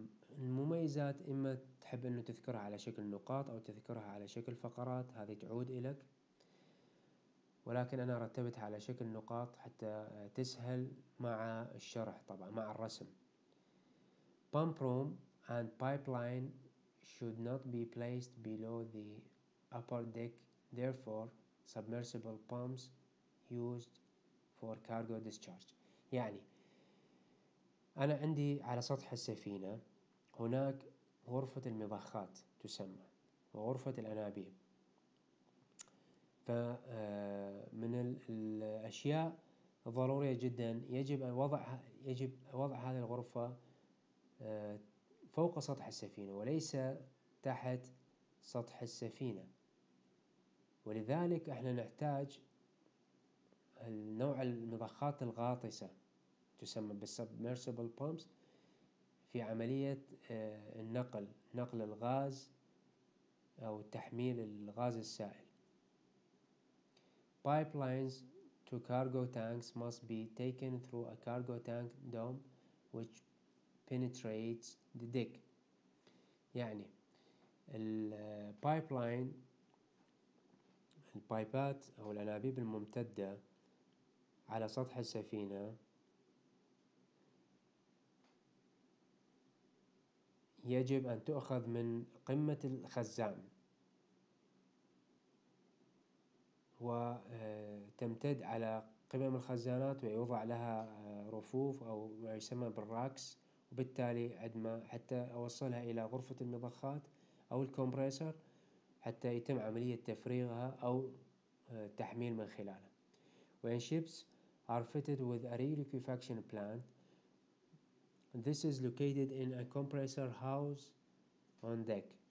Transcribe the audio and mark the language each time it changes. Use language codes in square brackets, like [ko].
[ar] المميزات إما تحب أنه تذكرها على شكل نقاط أو تذكرها على شكل فقرات، هذه تعود إليك، ولكن أنا رتبتها على شكل نقاط حتى تسهل مع الشرح طبعا مع الرسم. [en] Pump room and pipeline should not be placed below the upper deck. Therefore, submersible pumps used for cargo discharge. [ar] يعني أنا عندي على سطح السفينة هناك غرفة المضخات تسمى وغرفة الأنابيب. فمن الأشياء ضرورية جدا يجب وضع هذه الغرفة فوق سطح السفينة وليس تحت سطح السفينة، ولذلك احنا نحتاج نوع المضخات الغاطسة تسمى بالsubmersible pumps في عملية النقل، نقل الغاز أو تحميل الغاز السائل. [en] Pipelines to cargo tanks must be taken through a cargo tank dome which penetrates the deck. [ar] يعني البايبلاين، البايبات أو الأنابيب الممتدة على سطح السفينة يجب أن تؤخذ من قمة الخزان وتمتد على قمم الخزانات ويوضع لها رفوف أو ما يسمى بالراكس، وبالتالي عندما حتى أوصلها إلى غرفة المضخات أو الكمبريسر حتى يتم عملية تفريغها أو تحميل من خلالها. [en] When ships are fitted with a re-liquefaction plant, this is located in a compressor house on deck.